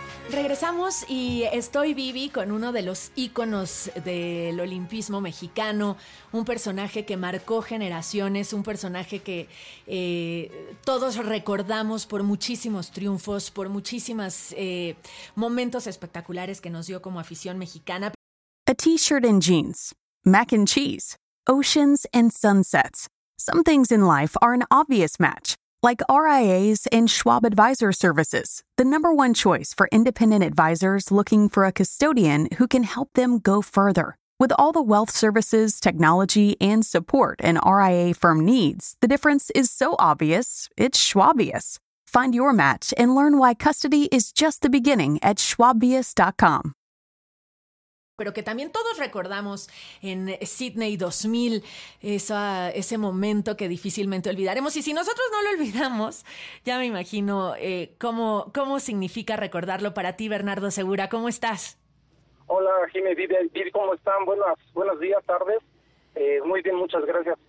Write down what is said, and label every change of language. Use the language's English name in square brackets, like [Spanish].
[Spanish] Regresamos y estoy, Vivi, con uno de los íconos del olimpismo mexicano, un personaje que marcó generaciones, un personaje que todos recordamos por muchísimos triunfos, por muchísimos momentos espectaculares que nos dio como afición mexicana. [English] A t-shirt and jeans, mac and cheese, oceans and sunsets. Some things in life are an obvious match. Like RIAs and Schwab Advisor Services, the number one choice for independent advisors looking for a custodian who can help them go further. With all the wealth services, technology, and support an RIA firm needs, the difference is so obvious, it's Schwabious. Find your match and learn why custody is just the beginning at schwabious.com. [Spanish] Pero que también todos recordamos en Sydney 2000, ese momento que difícilmente olvidaremos. Y si nosotros no lo olvidamos, ya me imagino cómo significa recordarlo para ti, Bernardo Segura. ¿Cómo estás? Hola, Jimmy, Vivi, ¿cómo están? Buenos días, tardes. Muy bien, muchas gracias.